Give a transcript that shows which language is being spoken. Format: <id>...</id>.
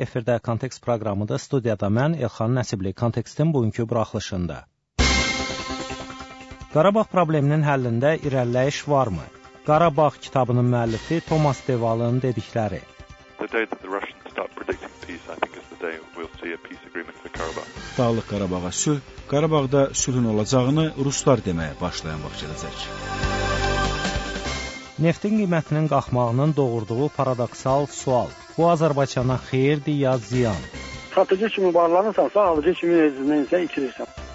<az>Efirdə Kontekst proqramıdır. Studiyada mən, Elxan Nəsibli, Kontekstin bugünkü buraxılışında. Qarabağ probleminin həllində irəliləyiş varmı? Qarabağ kitabının müəllifi Thomas Devalın dedikləri.</az> <en>The day that the Russians start predicting peace, I think, is the day we'll see a peace agreement for Karabakh.</en> <az>Dağlıq Qarabağa sülh, Qarabağda sülhün olacağını ruslar deməyə başlayan vaxt gələcək. Neftin qiymətinin qalxmağının doğurduğu paradoksal sual. Bu Azərbaycana xeyirdir ya ziyan? Satıcı kimi varlanırsansa, alıcı kimi nəyinsə itirirsən.</az>